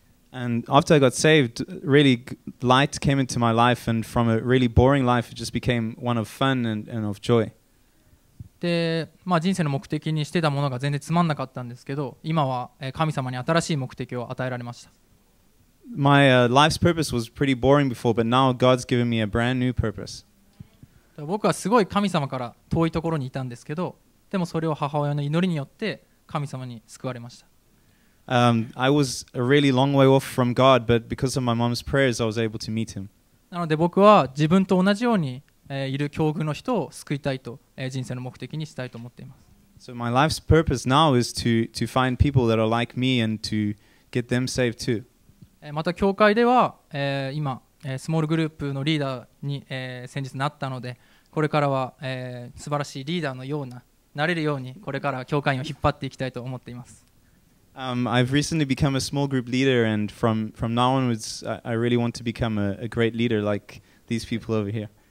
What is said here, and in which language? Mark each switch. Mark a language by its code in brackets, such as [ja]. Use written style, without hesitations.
[en] And after I got saved, really light came into my life, and from a really boring life, it just became one of fun and of joy. [ja] で、まあ、人生の目的にしてたものが全然つまんなかったんですけど、今は神様に新しい目的を与えられました。 [en] My life's purpose was pretty boring before, but now God's given me a brand new purpose. [ja] 僕はすごい神様から遠いところにいたんですけど、でもそれを母親の祈りによって神様に救われました。 [en] I was a really long way off from God, but because of my mom's prayers, I was able to meet him. [ja] なので僕は自分と同じように、いる境遇の人を救いたいと、人生の目的にしたいと思っています。 [en] So my life's purpose now is to find people that are like me and to get them saved too. [ja] また教会では、今、スモールグループのリーダーに、先日なったので、これからは、素晴らしいリーダーのようななれるようにこれから教会を引っ張っていきたいと思っています。 [en] I've recently become a small group leader, and from now onwards, I really want to become a great leader like these people over here.